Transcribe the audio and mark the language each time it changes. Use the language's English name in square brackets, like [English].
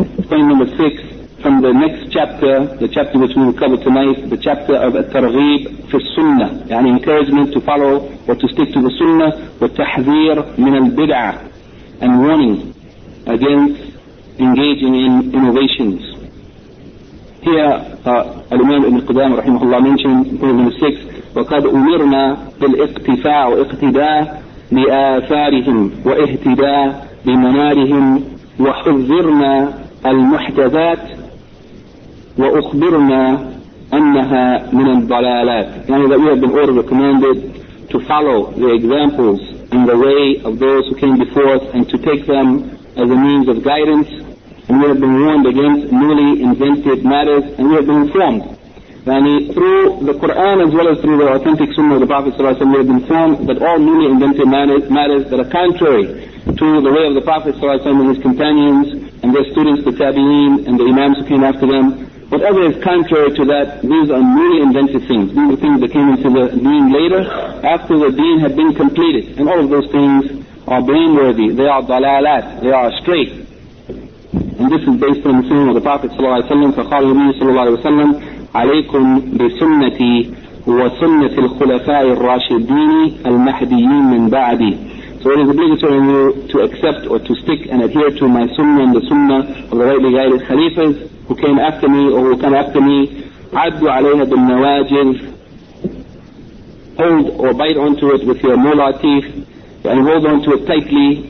[English] Point number 6, from the next chapter, the chapter which we will cover tonight, the chapter of At-Targhib fi Sunnah, an encouragement to follow or to stick to the Sunnah, wa tahzir min al-bid'ah, and warning against engaging in innovations. Here, Al-Imam Ibn Qudamah rahimahullah mentioned, point number 6, [Arabic] وَقَدْ أُمِرْنَا بِالْإِقْتِفَاءِ وَإِقْتِدَاءِ بِآثَارِهِمْ وَإِهْتِدَاءِ بِمَنَارِهِمْ وَحُذِّرْنَا الْمُحْدَثَاتِ وَأُخْبِرْنَا أَنَّهَا مِنَ الضَّلَالَاتِ. [English] Yani that we have been ordered, commanded to follow the examples and the way of those who came before us and to take them as a means of guidance, and we have been warned against newly invented matters, and we have been informed. Yani through the Quran as well as through the authentic Sunnah of the Prophet ﷺ, we have been informed that all newly invented matters that are contrary to the way of the Prophet ﷺ and his companions and their students, the Tabi'een and the Imams who came after them, whatever is contrary to that, these are newly invented things. These are things that came into the deen later, after the deen had been completed. And all of those things are blameworthy. They are dalalat. They are astray. And this is based on the Sunnah of the Prophet ﷺ, [Arabic] فَقَالُ الْمِنِ صَلَّى اللَّهِ وَسَلَّمْ عليكم بسنتي وسنة الخلفاء الراشدين المهديين من بعدي. [English] So it is obligatory on you to accept or to stick and adhere to my sunnah and the sunnah of the rightly guided khalifas who came after me or who come after me. [Arabic] عدوا عليها بالنواجذ. [English] Hold or bite onto it with your molar teeth and hold onto it tightly.